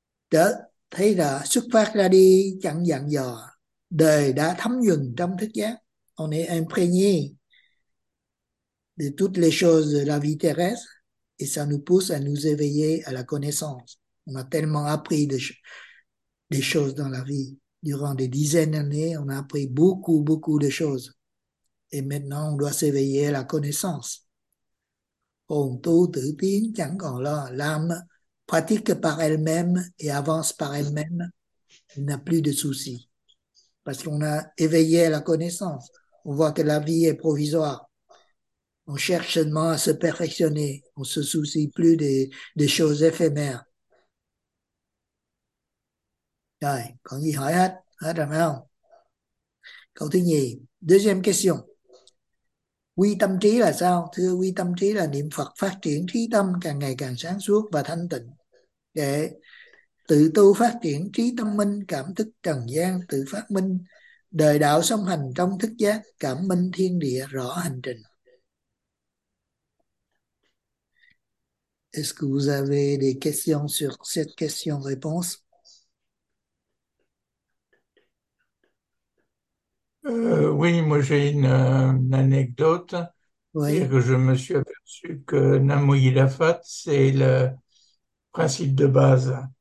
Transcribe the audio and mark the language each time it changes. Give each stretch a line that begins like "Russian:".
Vietnamese: Đó, thấy là xuất phát ra đi chẳng dặn dò. Đời đã thấm nhuần trong thức giác.
French: On est imprégné de toutes les choses de la vie terrestre et ça nous pousse à nous éveiller à la connaissance. On a tellement appris des choses dans la vie. Durant des dizaines d'années, on a appris beaucoup, beaucoup de choses. Et maintenant, on doit s'éveiller à la connaissance.
Vietnamese: Hồn tu tự tiến chẳng còn lo.
French: L'âme pratique par elle-même et avance par elle-même. Il n'a plus de soucis. Parce qu'on a éveillé à la connaissance. On voit que la vie est provisoire. On cherche seulement à se perfectionner. On ne se soucie plus des choses éphémères.
Vietnamese: Rồi, còn gì hỏi hết? Hết rồi phải không? Câu thứ nhì,
French: deuxième question.
Vietnamese: Quy tâm trí là sao? Thưa, quy tâm trí là niệm Phật phát triển trí tâm càng ngày càng sáng suốt và thanh tịnh. Để tự tu phát triển trí tâm minh, cảm thức trần gian, tự phát minh, đời đạo song hành trong thức giác, cảm minh thiên địa, rõ hành trình.
French: Est-ce que vous avez des questions sur cette question-réponse? Oui, moi j'ai une anecdote, c'est-à-dire Oui. que je me suis aperçu que Namo Yidafat, c'est le principe de base.